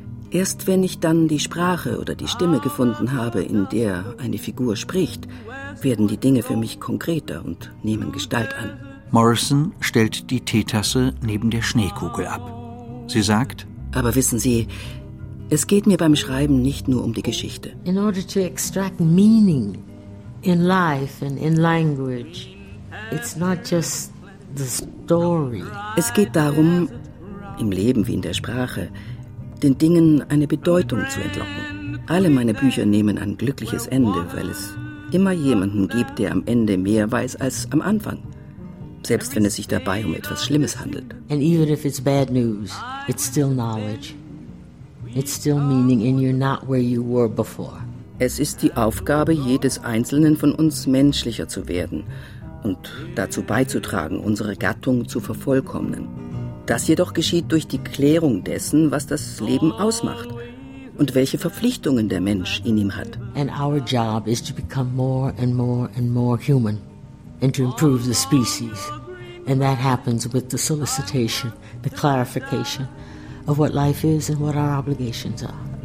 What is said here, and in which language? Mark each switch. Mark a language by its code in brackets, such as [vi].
[de] Erst wenn ich dann die Sprache oder die Stimme gefunden habe, in der eine Figur spricht, werden die Dinge für mich konkreter und nehmen Gestalt an. Morrison stellt die Teetasse neben der Schneekugel ab. Sie sagt: Aber wissen Sie, es geht mir beim Schreiben nicht nur um die Geschichte. [en] In order to extract meaning in life and in language, it's not just the story. [de] Es geht darum, im Leben wie in der Sprache, den Dingen eine Bedeutung zu entlocken. Alle meine Bücher nehmen ein glückliches Ende, weil es immer jemanden gibt, der am Ende mehr weiß als am Anfang. Selbst wenn es sich dabei um etwas Schlimmes handelt. [en] And even if it's bad news, it's still knowledge. It's still meaning and you're not where you were before. [de] Es ist die Aufgabe jedes Einzelnen von uns, menschlicher zu werden und dazu beizutragen, unsere Gattung zu vervollkommnen. Das jedoch geschieht durch die Klärung dessen, was das Leben ausmacht und welche Verpflichtungen der Mensch in ihm hat. [en] And our job is to become more and more and more human and to improve the species. And that happens with the solicitation, the clarification of what life is and what our obligations are.